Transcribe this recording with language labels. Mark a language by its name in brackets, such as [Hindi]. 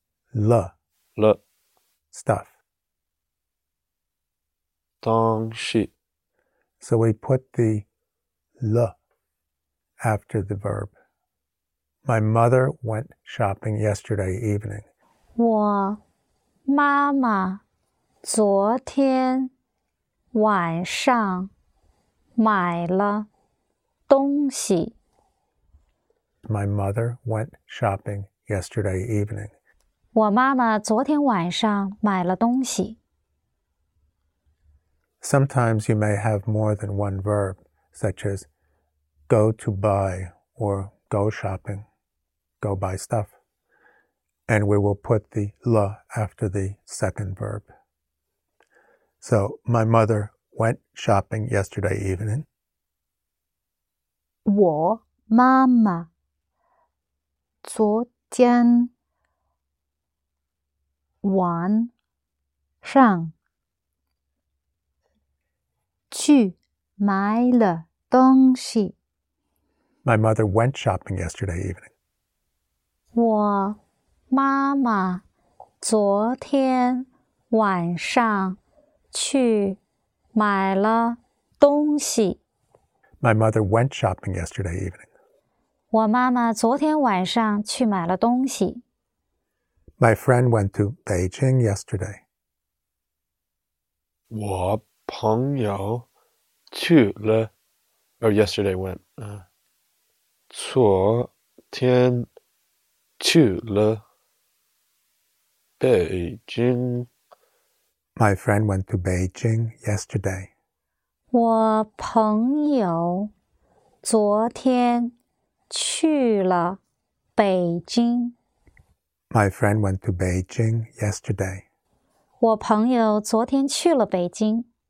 [Chinese] 了了 [English] stuff [Chinese] 东西 [English] So we put the 了 after the verb. My mother went shopping yesterday evening. [Chinese] 我妈妈昨天晚上买了东西。 [English] My mother went shopping yesterday evening. [Chinese] 我妈妈昨天晚上买了东西。 [English] Sometimes you may have more than one verb, such as go to buy or go shopping, go buy stuff. And we will put the 了 after the second verb. So, my motherwent shopping yesterday evening. [Chinese] 我妈妈昨天晚上去买了东西。 [English] My mother went shopping yesterday evening. [Chinese] 我妈妈昨天晚上去买了东西。 [English] My mother went shopping yesterday evening. [Chinese] 我妈妈昨天晚上去买了东西。 [English] My friend went to Beijing yesterday. [Chinese] 我朋友去了, [English] or yesterday went, [Chinese] 昨天去了北京。 [English] My friend went to Beijing yesterday. [Chinese] 我朋友昨天去了北京。 [English] My friend went to Beijing yesterday. [Chinese] 我朋友昨天去了北京。